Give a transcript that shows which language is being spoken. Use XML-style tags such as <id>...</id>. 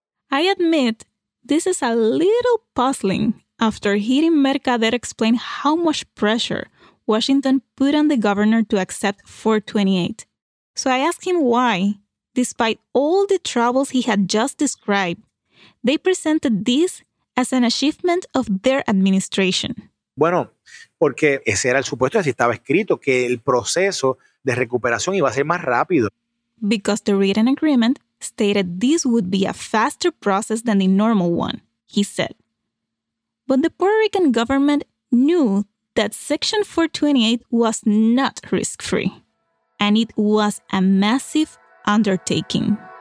<en>I admit, this is a little puzzling after hearing Mercader explain how much pressure Washington put on the governor to accept 428. So I asked him why, despite all the troubles he had just described, they presented this as an achievement of their administration.</en> <es>Bueno, porque ese era el supuesto, así estaba escrito, que el proceso de recuperación iba a ser más rápido.</es> <en>Because the written agreement stated this would be a faster process than the normal one, he said. But the Puerto Rican government knew that Section 428 was not risk-free, and it was a massive undertaking.</en>